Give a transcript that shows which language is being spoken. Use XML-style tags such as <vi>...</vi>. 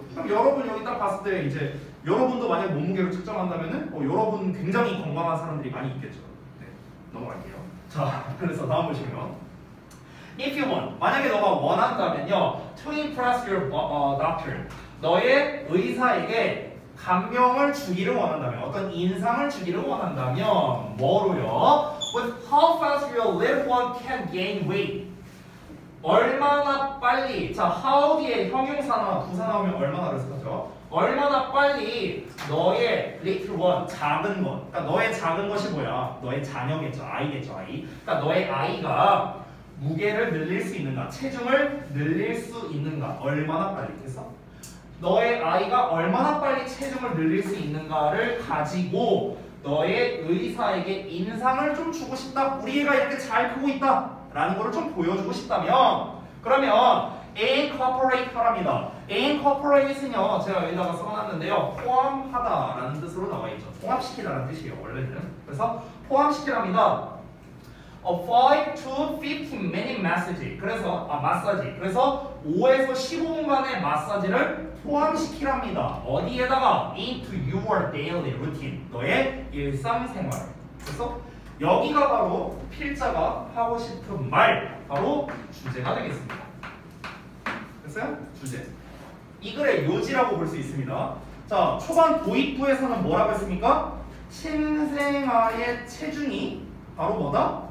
<ko>그럼 여러분 여기 딱 봤을 때 이제 여러분도 만약 몸무게를 측정한다면은 여러분 굉장히 건강한 사람들이 많이 있겠죠. 네. 넘어갈게요. 자, 그래서 다음 보시면</ko> <en>If you want,</en> <ko>만약에 너가 원한다면요</ko> <en>To impress your doctor</en> <ko>너의 의사에게 감명을 주기를 원한다면 어떤 인상을 주기를 원한다면 뭐로요?</ko> <en>With how fast your little one can gain weight</en> <ko>얼마나 빨리 자, how 뒤에 형용사나 부사 나오면 얼마나를 쓰죠? 얼마나 빨리 너의</ko> <en>little one,</en> <ko>작은 것 그러니까 너의 작은 것이 뭐야? 너의 자녀겠죠, 아이겠죠, 아이 그러니까 너의 아이가 무게를 늘릴 수 있는가, 체중을 늘릴 수 있는가, 얼마나 빨리 해서 너의 아이가 얼마나 빨리 체중을 늘릴 수 있는가를 가지고 너의 의사에게 인상을 좀 주고 싶다, 우리 애가 이렇게 잘 크고 있다 라는 것을 좀 보여주고 싶다면 그러면 incorporate 하랍니다. incorporate는요 제가 여기다가 써놨는데요 포함하다 라는 뜻으로 나와있죠. 포함시키다 라는 뜻이에요 원래는. 그래서 포함시키랍니다.</ko> <en>A 5 to 15 minute massage.</en> <ko>그래서 마사지. 그래서 5에서 15분간의 마사지를 포함시키랍니다. 어디에다가</ko> <en>into your daily routine.</en> <ko>너의 일상생활. 그래서 여기가 바로 필자가 하고 싶은 말 바로 주제가 되겠습니다. 됐어요? 주제. 이 글의 요지라고 볼 수 있습니다. 자 초반 도입부에서는 뭐라고 했습니까? 신생아의 체중이 바로 뭐다?</ko>